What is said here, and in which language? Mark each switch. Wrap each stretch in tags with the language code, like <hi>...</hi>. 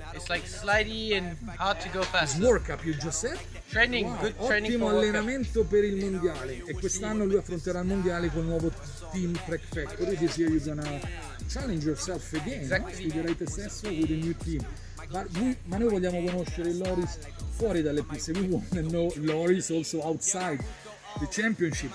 <en>It's like slidey and hard to go fast. Work up, you just said. Training, wow. Good</en> <it>ottimo</it> <en>training.</en> <it>Ottimo allenamento per il mondiale. E quest'anno lui affronterà il mondiale con il nuovo team Treck Factory.</it> <en>This year you're gonna challenge yourself again.</en> <it>Esatto. Sfiderai te stesso</it> <en>with a new team.</en> <it>Ma noi vogliamo conoscere Loris fuori dalle piste.</it> <en>We want to know Loris also outside the championship.</en>